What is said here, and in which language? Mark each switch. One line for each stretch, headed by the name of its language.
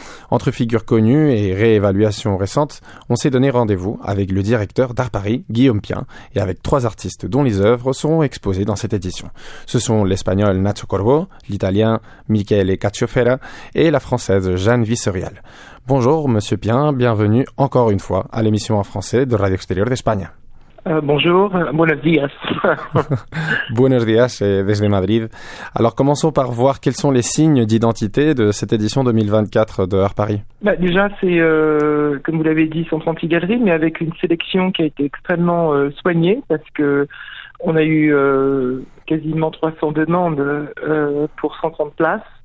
French: Entre figures connues et réévaluations récentes, on s'est donné rendez-vous avec le directeur d'Art Paris, Guillaume Pien, et avec trois artistes dont les œuvres seront exposées dans cette édition. Ce sont l'espagnol Nacho Corvo, l'italien Michele Cacciofera et la française Jeanne Visserial. Bonjour Monsieur Pien, bienvenue encore une fois à l'émission en français de Radio Exterior d'Espagne. Bonjour,
Spanish: buenos días. Buenos días desde Madrid.
French: Alors commençons par voir quels sont les signes d'identité de cette édition 2024 de Art Paris. Déjà c'est, comme vous l'avez dit, 136 galeries, mais avec une sélection qui a été extrêmement soignée, parce que on a eu quasiment 300 demandes pour 130 places.